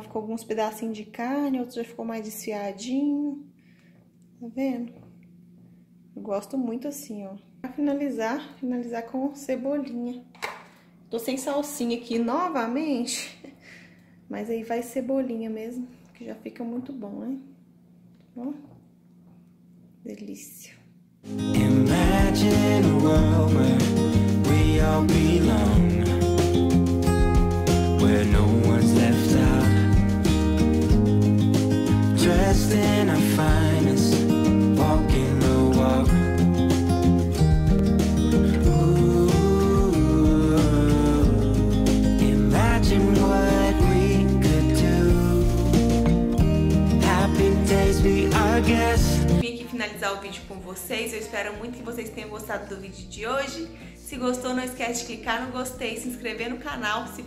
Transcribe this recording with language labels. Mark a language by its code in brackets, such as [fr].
[pt] Ficou alguns pedacinhos de carne, outros já ficou mais desfiadinho. Tá vendo? Eu gosto muito assim, ó. Pra finalizar com cebolinha. Tô sem salsinha aqui novamente, mas aí vai cebolinha mesmo, que já fica muito bom, né? Ó. Delícia. [en] Imagine a world where we all belong, where no one's left out, dressed in our finest, walking the walk. Ooh, imagine what we could do. Happy days be our guests. [pt] Vim aqui finalizar o vídeo com vocês. Eu espero muito que vocês tenham gostado do vídeo de hoje. Se gostou, não esquece de clicar no gostei e se inscrever no canal se você ainda não for inscrito. Um beijo pra vocês e até o próximo vídeo.